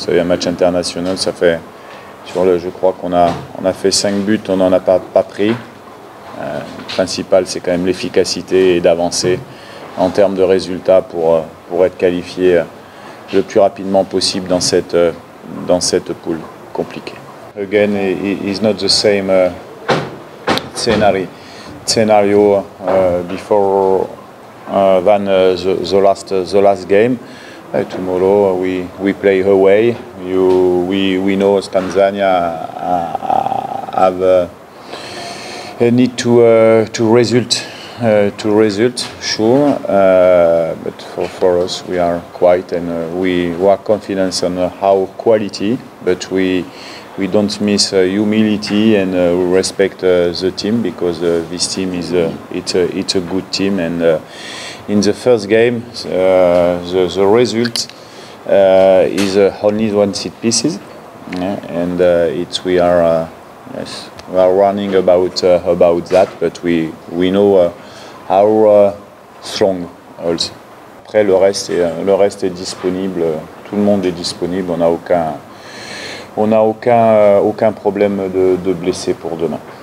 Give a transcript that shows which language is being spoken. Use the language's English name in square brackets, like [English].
[French] Vous savez, un match international, ça fait sur le, je crois qu'on a fait 5 buts, on n'en a pas pris. Le principal, c'est quand même l'efficacité et d'avancer en termes de résultats pour être qualifié le plus rapidement possible dans cette poule compliquée. [English] Again, it's not the same scenario before the last game. Tomorrow we play away. We know Tanzania need to result sure, but for us we are quiet and we are confident on our quality, but we don't miss humility and we respect the team, because this team is it's a good team, and in the first game the result is only one set pieces, yeah, and it's we are yes, we are running about that, but we know our strong holds. [French] Après, le reste est disponible. Tout le monde est disponible. On n'a aucun problème de blessé pour demain.